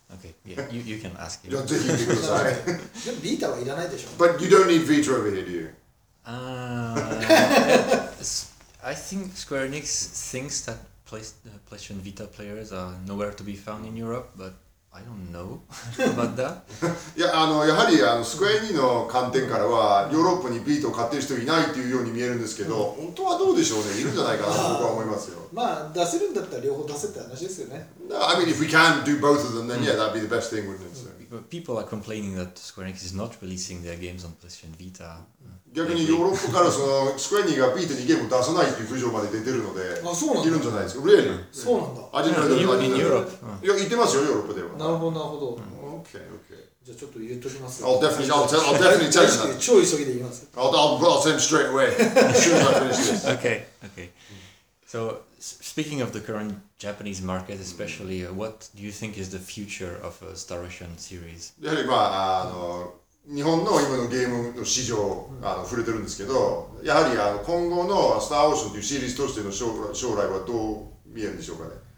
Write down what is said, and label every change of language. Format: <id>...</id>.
<en>Okay, yeah, you can ask him. You don't need Vita. But you don't need Vita over here, do you? I think Square Enix thinks that PlayStation Vita players are nowhere to be found in Europe, but I don't know about that.</en> <ja>Yeah, あの、やはりあの、スクエア2の観点からは、ヨーロッパにビートを買ってる人いないというように見えるんですけど、本当はどうでしょうね、いるんじゃないかなと僕は思いますよ。まあ、出せるんだったら両方出せって話ですよね。</ja> <en>No, I mean, if we can do both of them, then yeah, that'd be the best thing, wouldn't it? People are complaining that Square Enix is not releasing their games on PlayStation Vita.</en> <ja>逆にヨーロッパからその、Square Enix がビートにゲームを出さないという苦情まで出てるので、あ、そうなんだ。いるんじゃないですか。</ja> <en>Really?</en> <ja>そうなんだ。</ja> <en>I didn't know that. In Europe.</en> <ja>いや、言ってますよ、ヨーロッパでは。なるほど、なるほど。</ja> <en>Okay, okay.</en> <ja>じゃあちょっと言っときます。</ja> <en>I'll definitely tell you.</en> <ja>超急ぎで言います。</ja> <en>I'll send straight away. okay, okay. So, speaking of the current Japanese market, especially, what do you think is the future of a Star Ocean series?</en> <ja>やはりまあ、あの、日本の今のゲームの市場あの触れてるんですけど、やはりあの今後のスターオーシャンというシリーズとしての将来はどう見えるんでしょうかね。</ja>